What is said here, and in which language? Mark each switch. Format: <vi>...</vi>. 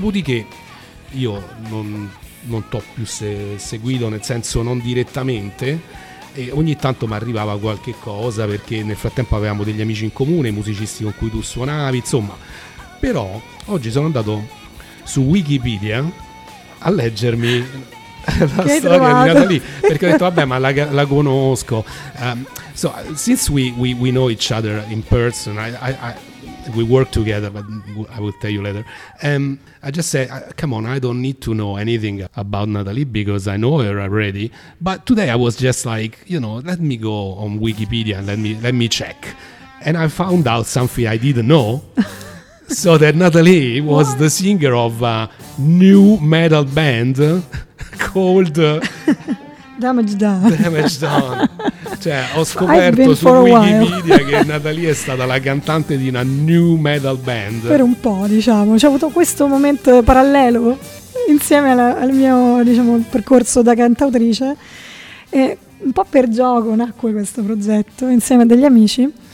<it>Dopodiché io non t'ho più seguito, nel senso non direttamente, e ogni tanto mi arrivava qualche cosa, perché nel frattempo avevamo degli amici in comune, musicisti con cui tu suonavi, insomma. Però oggi sono andato su Wikipedia a leggermi la che storia di Nathalie, perché ho detto vabbè, ma la conosco.</it> <en>So since we know each other in person, we work together, but I will tell you later. I just say, come on, I don't need to know anything about Nathalie because I know her already. But today I was just like, you know, let me go on Wikipedia and let me check, and I found out something I didn't know. So that Nathalie was the singer of a new metal band called Damage Done. Damage Done.</en> <it>Cioè, ho scoperto su Wikipedia che Nathalie è stata la cantante di una new metal band. Per un po', diciamo, c'è avuto questo momento parallelo insieme al mio, diciamo, percorso da cantautrice. E un po' per gioco nacque questo progetto insieme a degli amici.</it>